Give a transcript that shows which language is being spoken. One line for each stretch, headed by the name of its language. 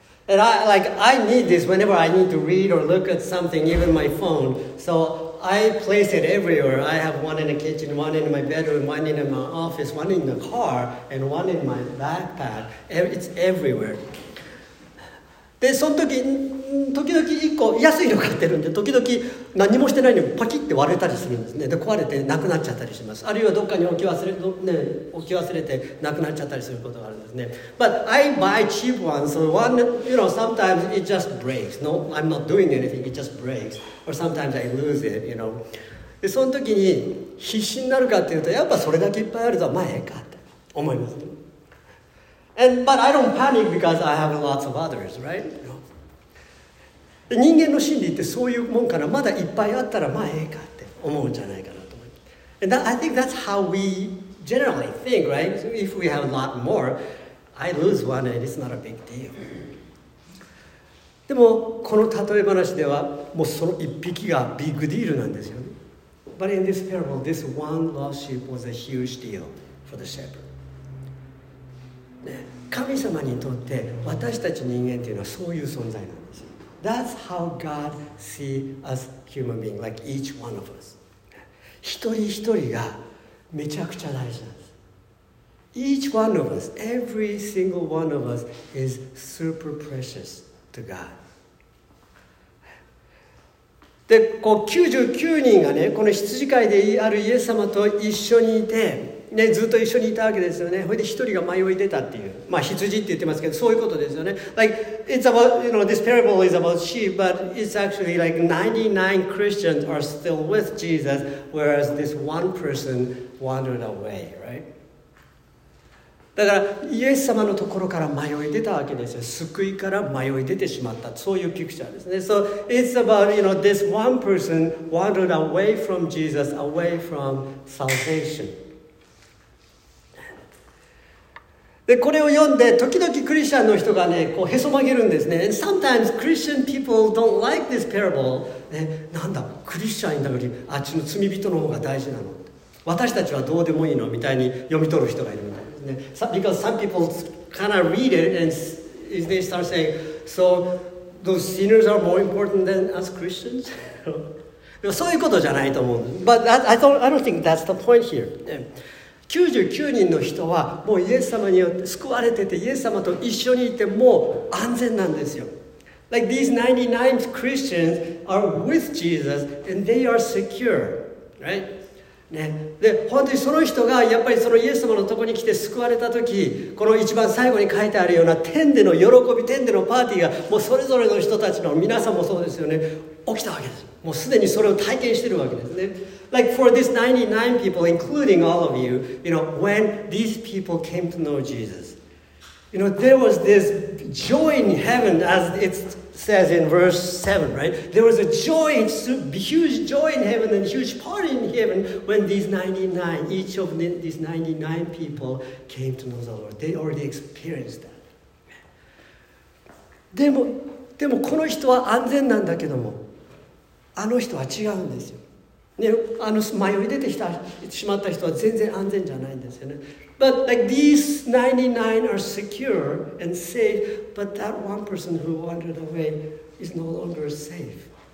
English: And I, like, I need this whenever I need to read or look at something, even my phone. So I place it everywhere. I have one in the kitchen, one in my bedroom, one in my office, one in the car, and one in my backpack. It's everywhere.
Japanese: で、その時、時々1個安いの買ってるんで、時々何もしてないのにパキッて割れたりするんですね。で、壊れてなくなっちゃったりします。あるいはどっかに置き忘れ、ね、置き忘れてなくなっちゃったりすることがあるんですね。
English: But I buy cheap ones, so one, you know, sometimes it just breaks. No, I'm not doing anything, it just breaks. Or sometimes I lose it, you know.
Japanese: で、その時に必死になるかっていうと、やっぱそれだけいっぱいあるとまあええかって思いますね。
English: And, but I don't panic because I have lots of others, right?
Japanese: 人間の心理ってそういうもんかな。まだいっぱいあったらまあええかって思うんじゃないかなと思って。
English: And that, I think that's how we generally think, right? So if we have a lot more, I lose one and it's not a big deal.
Japanese: でもこの例え話ではもうその一匹がビッグディールなんですよね。
English: But in this parable, this one lost sheep was a huge deal for the shepherd.
Japanese: 神様にとって私たち人間というのはそういう存在なんです。
English: That's how God sees us human beings, like each one of us.
Japanese: 一人一人がめちゃくちゃ大事なんです。
English: Each one of us, every single one of us is super precious to God.
Japanese: で、こう99人がね、この羊飼いであるイエス様と一緒にいて、ね、ずっと一緒にいたわけですよね。それで一人が迷い出たっていう、まあ羊って言ってますけど、そういうことですよね。
English: Like, it's about, you know, this parable is about sheep, but it's actually like 99 Christians are still with Jesus, whereas this one person wandered away, right?
Japanese: だからイエス様のところから迷い出たわけですよ。救いから迷い出てしまった、そういうピクチャーですね。
English: So it's about, you know, this one person wandered away from Jesus, away from salvation.
Japanese: で、これを読んで、時々クリスチャンの人がね、こうへそ曲げるんですね。
English: And sometimes Christian people don't like this parable.
Japanese: ね、なんだ、クリスチャンになるより、あっちの罪人の方が大事なの。私たちはどうでもいいのみたいに読み取る人がいるみたいですね。
English: Because some people kind of read it and they start saying, so those sinners are more important than us Christians?
Japanese: そういうことじゃないと思う。
English: But I don't think that's the point here.、
Japanese: ね99人の人はもうイエス様によって救われててイエス様と一緒にいてもう安全なんですよ。
English: Like these 99 Christians are with Jesus and they are secure, right?
Japanese: ね。で、本当にその人がやっぱりそのイエス様のところに来て救われたとき、この一番最後に書いてあるような天での喜び、天でのパーティーがもうそれぞれの人たちの皆さんもそうですよね。起きたわけです。もうすでにそれを体験してるわけですね。
English: Like for these 99 people, including all of you, you know, when these people came to know Jesus, you know, there was this joy in heaven, as it says in verse 7, right? There was a joy, huge joy in heaven and huge party in heaven when these 99, each of these 99 people came to know the Lord. They already experienced that.
Japanese: でもこの人は安全なんだけども、あの人は違うんですよ。ね、あの迷い出てきたしまった人は全然安全じゃないんですよね。
English: But like these 99 are secure and safe, but that one person who wandered away is no longer safe.